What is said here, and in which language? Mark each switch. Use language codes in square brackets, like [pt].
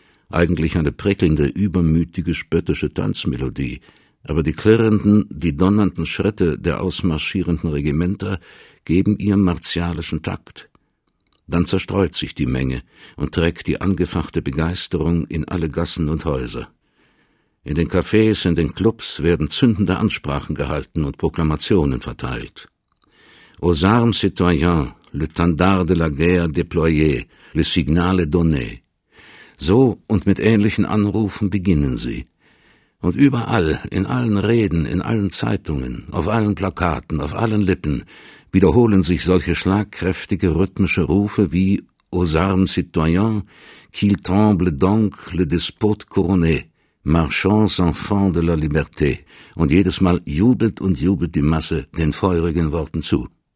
[de] Eigentlich eine prickelnde, übermütige, spöttische Tanzmelodie, aber die klirrenden, die donnernden Schritte der ausmarschierenden Regimenter geben ihr martialischen Takt. Dann zerstreut sich die Menge und trägt die angefachte Begeisterung in alle Gassen und Häuser. In den Cafés, in den Clubs werden zündende Ansprachen gehalten und Proklamationen verteilt. [fr] Aux armes citoyens, le standard de la guerre déployé, le signal est donné. [de] So und mit ähnlichen Anrufen beginnen sie. Und überall, in allen Reden, in allen Zeitungen, auf allen Plakaten, auf allen Lippen, wiederholen sich solche schlagkräftige rhythmische Rufe wie » [fr] Aux armes citoyens, qu'il tremble donc le despote couronné, marchons enfants de la liberté« [de] und jedes Mal jubelt und jubelt die Masse den feurigen Worten zu.